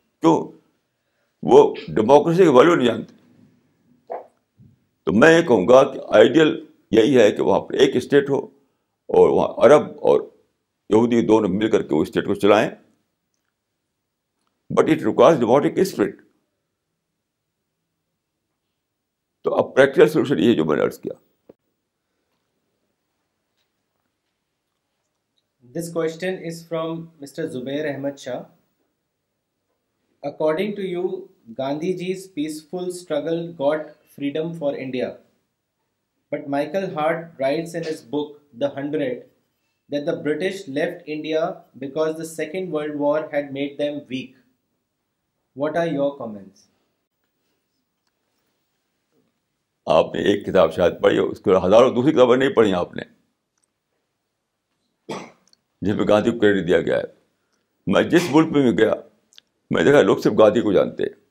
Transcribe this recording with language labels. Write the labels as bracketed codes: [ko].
[ur] کیوں؟ وہ ڈیموکریسی کی ویلو نہیں جانتے. تو میں یہ کہوں گا کہ آئیڈیل یہی ہے کہ وہاں پر ایک اسٹیٹ ہو اور وہاں عرب اور یہودی دونوں مل کر کے وہ اسٹیٹ کو چلائیں, [en] But it requires democratic spirit. [ur] تو اب پریکٹیکل سولوشن یہ جو میں نے عرض کیا. [en] This question is from Mr. Zubair Ahmed Shah. According to you, Gandhi ji's peaceful struggle got freedom for India. But Michael Hart writes in his book, The Hundred, that the British left India because the Second World War had made them weak. What are your comments? [ur] آپ نے ایک کتاب شاید پڑھی ہو, اس کے ہزاروں دوسری کتابیں نہیں پڑھی آپ نے جس میں گاندھی کو کریڈٹ دیا گیا ہے. میں جس ملک میں بھی گیا میں دیکھا لوگ صرف گاندھی کو جانتے.